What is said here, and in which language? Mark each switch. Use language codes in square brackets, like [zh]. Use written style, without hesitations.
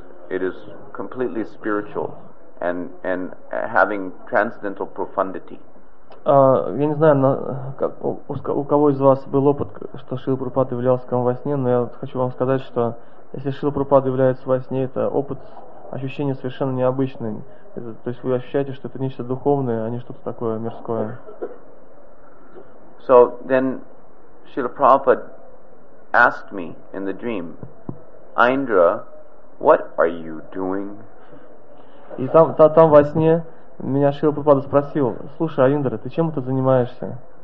[en] It is completely spiritual and having transcendental profundity. [ru] Я не знаю, у кого из вас был опыт, что Шрила Прабхупада являлся к вам во сне, но я хочу вам сказать, что если Шрила Прабхупада является во сне, это опыт, ощущение совершенно необычное. То есть вы ощущаете, что это нечто духовное, а не что-то такое мирское. [en] So then Srila Prabhupada asked me in the dream, Indra, what are you doing? [ru] И там во сне меня Шрила Прабхупада спросил, слушай, Индра, ты чем это занимаешься?